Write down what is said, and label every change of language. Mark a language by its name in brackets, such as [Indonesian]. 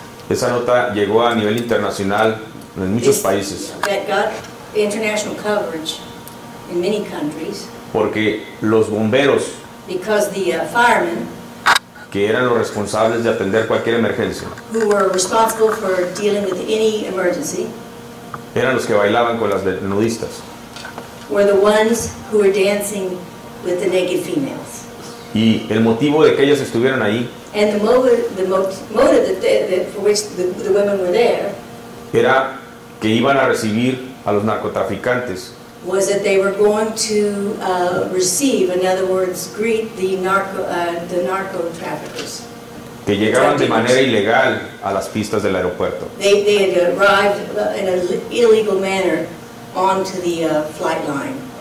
[Spanish] Esa nota llegó a nivel internacional en muchos países. [English] That got international coverage in many countries. [Spanish] Porque los bomberos. [English] Because the firemen [Spanish] que eran los responsables de atender cualquier emergencia. [English] Who were responsible for dealing with any emergency. [Spanish] Eran los que bailaban con las nudistas. [English] Were the ones who were dancing with the naked females. [Spanish] Y el motivo de que ellas estuvieran ahí. [English] And the motive for which the women were there. [Spanish] Era que iban a recibir a los narcotraficantes. [English] Was that they were going to receive, in other words, greet the narco traffickers. [Spanish] Que llegaban de manera ilegal a las pistas del aeropuerto. [English] They had arrived in an illegal manner onto the flight line.